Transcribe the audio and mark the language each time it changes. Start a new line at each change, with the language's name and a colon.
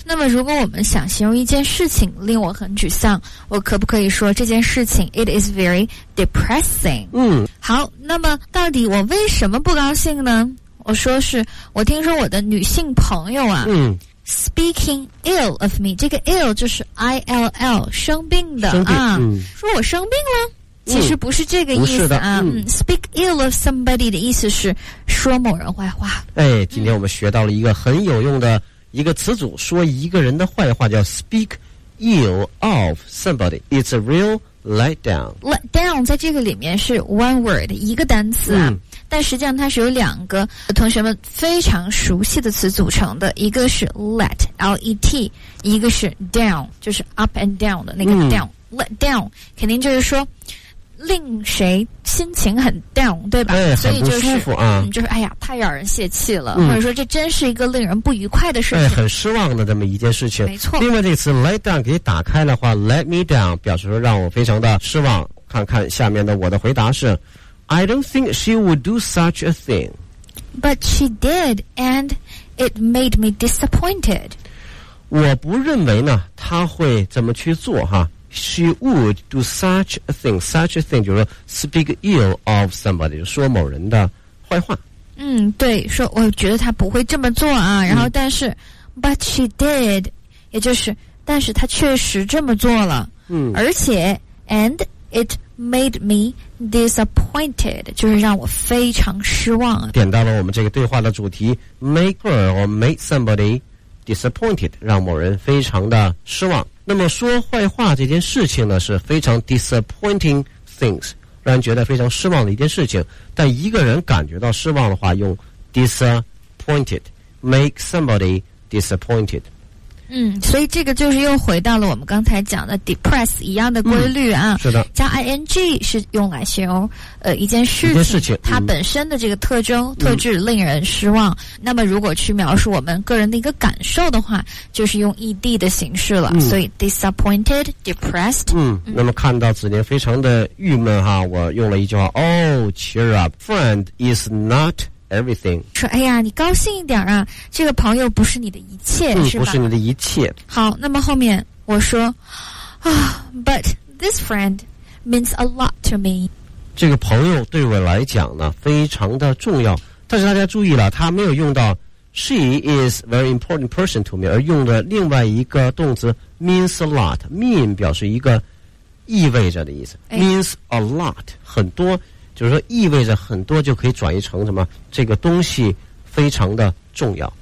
Chinese: 那么，如果我们想形容一件事情令我很沮丧，我可不可以说这件事情
English: it is very depressing？嗯，
Chinese: 好，那么到底我为什么不高兴呢？我说是我听说我的女性朋友啊，嗯。 Speaking ill of me， 这个 ill 就是 ill， 生病的生病啊、嗯。说我生病了，其实不是这个意思、嗯、不是的啊、嗯。
English: Speak ill of somebody
Chinese: 的意思是说某人坏话。哎，今天我们学到了一个很有用的一个词组，嗯、说一个人的坏话叫 speak ill of somebody。
English: It's a real letdown。
Chinese: Letdown 在这个里面是
English: one word，
Chinese: 一个单词啊。嗯，但实际上它是由两个同学们非常熟悉的词组成的，一个是 let L-E-T， 一个是 down， 就是 up and down 的那个 down、嗯、 let down 肯定就是说令谁心情很 down， 对吧、哎、所以就是很不舒服啊、嗯、就是哎呀太让人泄气了、嗯、或者说这真是一个令人不愉快的事情、哎、很失望的这么一件事情。没错，另外这个词 let down 给打开的话， let me down 表示说让我非常的失望。看看下面的我的回答是
English: I don't think she would do such a thing. But she did, and it made me disappointed.
Chinese: 我不认为呢，她会怎么去做哈。
English: She would do such a thing. Such a thing
Chinese: 就是
English: speak ill of somebody，
Chinese: 说某人的坏话。嗯，对，说我觉得她不会这么做啊。然后，但是、嗯、，
English: but she did，
Chinese: 也就是，但是她确实这么做了。嗯，而且 ，
English: and it made me disappointed，
Chinese: 就是让我非常失望。点到了我们这个对话的主题 ，
English: make her or make somebody disappointed，
Chinese: 让某人非常的失望。那么说坏话这件事情呢，是非常
English: disappointing things，
Chinese: 让人觉得非常失望的一件事情。但一个人感觉到失望的话，用 disappointed，
English: make somebody disappointed。
Chinese: 嗯，所以这个就是又回到了我们刚才讲的 depress 一样的规律啊、嗯、是的，加 ing 是用来形容一件事情、嗯、它本身的这个特征特质令人失望、嗯、那么如果去描述我们个人的一个感受的话，就是用 ed 的形式了、嗯、所以
English: disappointed depressed
Chinese: 嗯, 嗯，那么看到子年非常的郁闷哈，我用了一句话
English: oh cheer up friend is notEverything
Chinese: 说哎呀你高兴一点啊，这个朋友不是你的一切、嗯、是吧，不是你的一切。好，那么后面我说啊、
English: oh, But this friend means a lot to me，
Chinese: 这个朋友对我来讲呢非常的重要。但是大家注意了，他没有用到
English: She is very important person to me，
Chinese: 而用的另外一个动词 means a lot， mean 表示一个意味着的意思、哎、 means a lot 很多，就是说意味着很多，就可以转移成什么这个东西非常的重要。